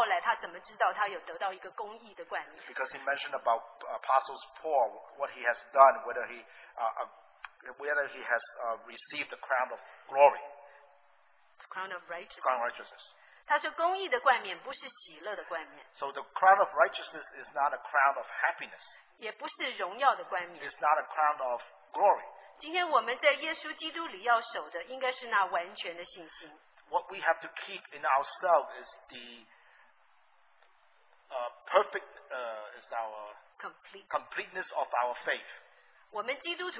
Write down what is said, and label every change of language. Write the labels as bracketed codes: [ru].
[zh] 因为他讲到保罗的一生，保罗到后来他怎么知道他有得到一个公义的冠冕？ [en] Because he mentioned about Apostle Paul, what he has done, whether he has received the crown of glory. The crown of righteousness. Crown of righteousness. [zh] 他说公义的冠冕不是喜乐的冠冕。 [en] So the crown of righteousness is not a crown of happiness. [zh] 也不是荣耀的冠冕。 [en] It's not a crown of glory. [zh] 今天我们在耶稣基督里要守的，应该是那完全的信心。 [en] What we have to keep in ourselves is the completeness of our faith.